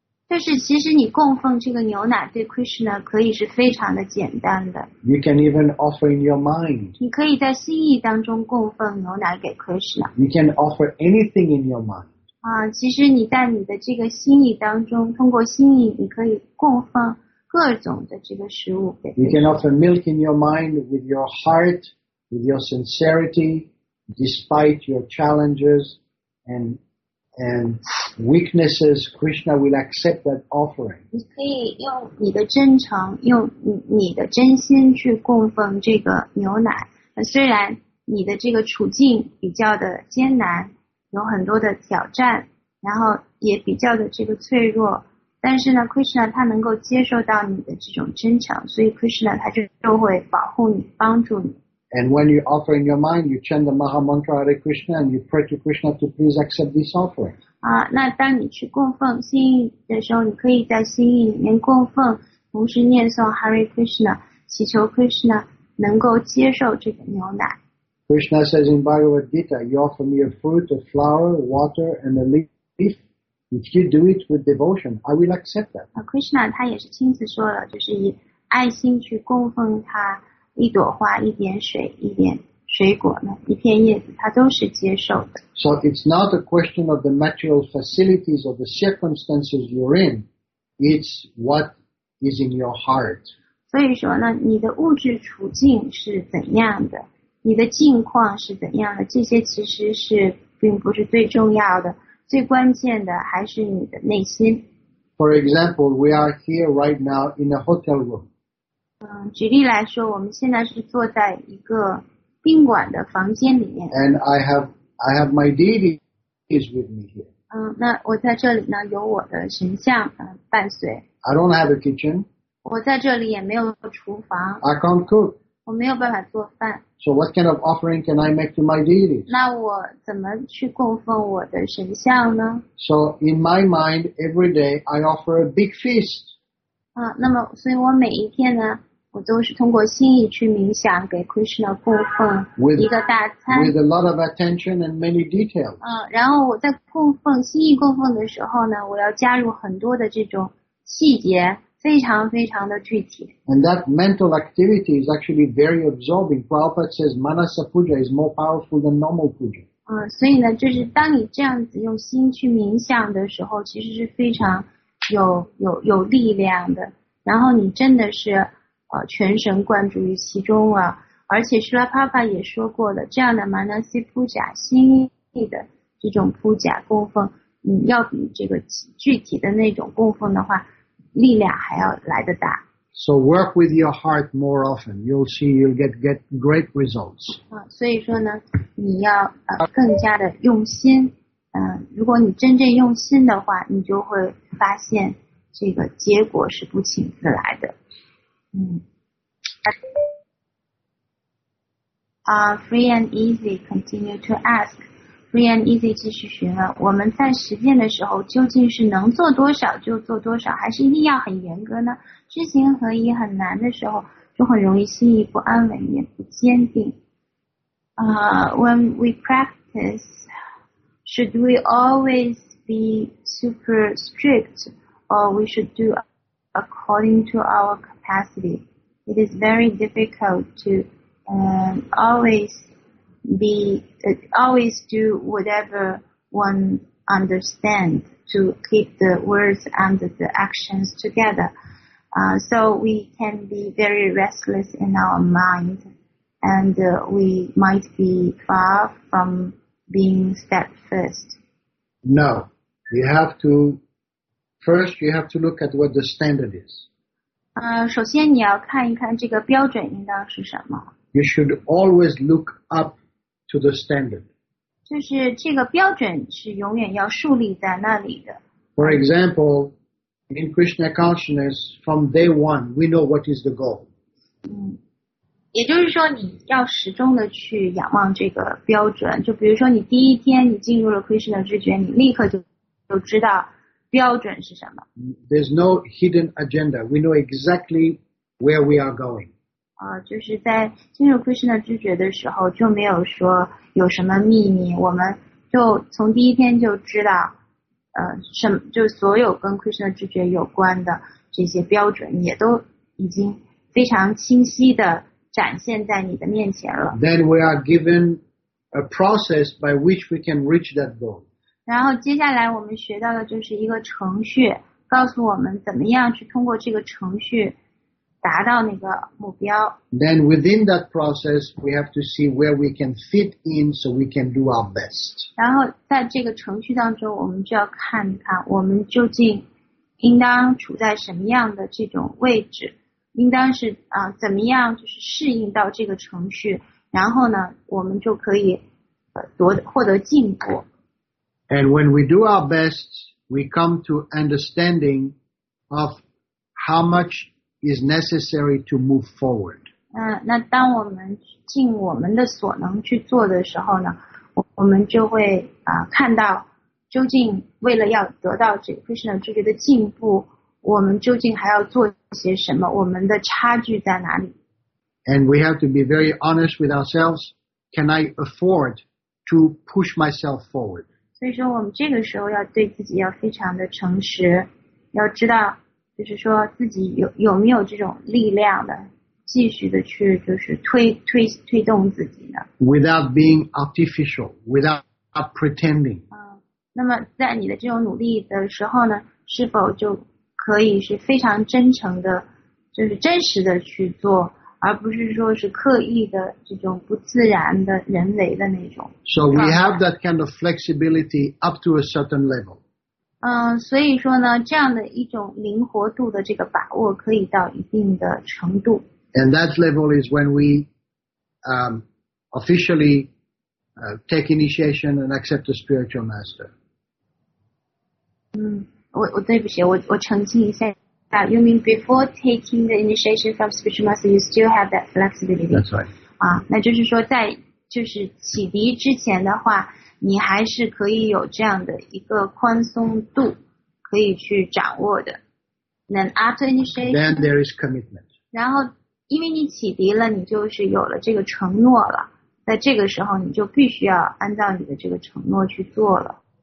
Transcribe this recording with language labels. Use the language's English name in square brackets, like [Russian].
[Chinese] 但是其实你供奉这个牛奶对 Krishna 可以是非常的简单的。 [English] You can even offer in your mind. [Chinese] 你可以在心意当中供奉牛奶给 Krishna. [English] You can offer anything in your mind. [Chinese] 其实你在你的这个心意当中，通过心意你可以供奉各种的这个食物给 Krishna. [English] You can offer milk in your mind with your heart, with your sincerity, despite your challenges and weaknesses, Krishna will accept that offering. [Chinese] 你可以用你的真诚，用你的真心去供奉这个牛奶。虽然你的这个处境比较的艰难，有很多的挑战，然后也比较的这个脆弱，但是呢 ，Krishna 他能够接受到你的这种真诚，所以 Krishna 他就会保护你，帮助你。 [English] And when you offer in your mind, you chant the Maha Mantra Hare Krishna and you pray to Krishna to please accept this offering. [Chinese] 那当你去供奉心意的时候，你可以在心意里面供奉，同时念诵 Hare Krishna, 祈求 Krishna 能够接受这个牛奶。 [English] Krishna says in Bhagavad Gita, you offer me a fruit, a flower, water, and a leaf. If you do it with devotion, I will accept that. [Chinese] Krishna 他也是亲自说了，就是以爱心去供奉他。一朵花，一点水，一点水果呢，一片叶子，它都是接受的。 [English] So it's not a question of the material facilities or the circumstances you're in. It's what is in your heart. [Chinese] 所以说呢，你的物质处境是怎样的，你的境况是怎样的，这些其实是并不是最重要的，最关键的还是你的内心。 [English] For example, we are here right now in a hotel room. [Chinese] 举例来说，我们现在是坐在一个宾馆的房间里面。 [English] And I have my deities with me here. [Chinese] 那我在这里呢，有我的神像伴随。 [English] I don't have a kitchen. [Chinese] 我在这里也没有厨房。 [English] I can't cook. [Chinese] 我没有办法做饭。 [English] So what kind of offering can I make to my deities? [Chinese] 那我怎么去供奉我的神像呢？ [English] So in my mind, every day I offer a big feast. [Chinese] 那么所以我每一天呢。我都是通过心意去冥想，给 Krishna 供奉一个大餐。 [English] With a lot of attention and many details. [Chinese] 然后我在供奉心意供奉的时候呢，我要加入很多的这种细节，非常非常的具体。 [English] And that mental activity is actually very absorbing. Prabhupada says Manasa Puja is more powerful than normal puja. [Chinese] 所以呢，就是当你这样子用心去冥想的时候，其实是非常有力量的。然后你真的是。全神贯注于其中啊，而且Śrīla Prabhupāda也说过了，这样的 Manasi Puja 心意的这种 Puja 供奉，要比这个具体的那种供奉的话，力量还要来得大。 [English] So work with your heart more often. You'll see you'll get great results. [Chinese] 所以说呢，你要更加的用心。如果你真正用心的话，你就会发现这个结果是不请自来的。 Free and easy, [English] continue to ask. [Chinese] Free and easy 继续询问，我们在实践的时候究竟是能做多少就做多少，还是一定要很严格呢？知行合一很难的时候，就很容易心意不安稳，也不坚定。 [English] When we practice, should we always be super strict, or we should do according to our capacity? It is very difficult to always do whatever one understands to keep the words and the actions together. So we can be very restless in our mind, and we might be far from being steadfast. No, you have to, first you have to look at what the standard is. [Chinese] 首先你要看一看这个标准应当是什么。 [English] You should always look up to the standard. [Chinese] 就是这个标准是永远要树立在那里的。 [English] For example, in Krishna consciousness, from day one, we know what is the goal. [Chinese] 也就是说你要始终的去仰望这个标准。就比如说你第一天你进入了 Krishna 知觉，你立刻就知道标准是什么。 [English] There's no hidden agenda. We know exactly where we are going. [Chinese] 就是在进入 Krishna 知觉的时候就没有说有什么秘密，我们就从第一天就知道什么，就所有跟 Krishna 知觉有关的这些标准也都已经非常清晰的展现在你的面前了。 [English] Then we are given a process by which we can reach that goal. [Chinese] 然后接下来我们学到的就是一个程序，告诉我们怎么样去通过这个程序达到那个目标。 [English] Then within that process, we have to see where we can fit in so we can do our best. [Chinese] 然后在这个程序当中，我们就要看一看我们究竟应当处在什么样的这种位置，应当是怎么样就是适应到这个程序，然后呢我们就可以获得进步。 [English] And when we do our best, we come to understanding of how much is necessary to move forward. [Chinese] 那当我们尽我们的所能去做的时候呢，我们就会看到究竟为了要得到这个 Krishna 知觉的进步，我们究竟还要做些什么，我们的差距在哪里。 [English] And we have to be very honest with ourselves. Can I afford to push myself forward? [Chinese] 所以说我们这个时候要对自己要非常的诚实，要知道就是说自己有没有这种力量的继续的去就是推动自己呢。 [English] Without being artificial, without pretending. [Chinese] 那么在你的这种努力的时候呢，是否就可以是非常真诚的，就是真实的去做，而不是说是刻意的这种不自然的人为的那种。 [English] So we have that kind of flexibility up to a certain level. [Chinese] 所以说呢，这样的一种灵活度的这个把握可以到一定的程度。 [English] And that level is when we officially take initiation and accept the spiritual master. [Chinese] 我对不起，我澄清一下。 [English] You mean before taking the initiation from spiritual master, you still have that flexibility? That's right. [Chinese] 那就是说在就是启迪之前的话，你还是可以有这样的一个宽松度可以去掌握的。 [English] Then after initiation, then there is commitment. [Chinese] 然后因为你启迪了，你就是有了这个承诺了，在这个时候你就必须要按照你的这个承诺去做了。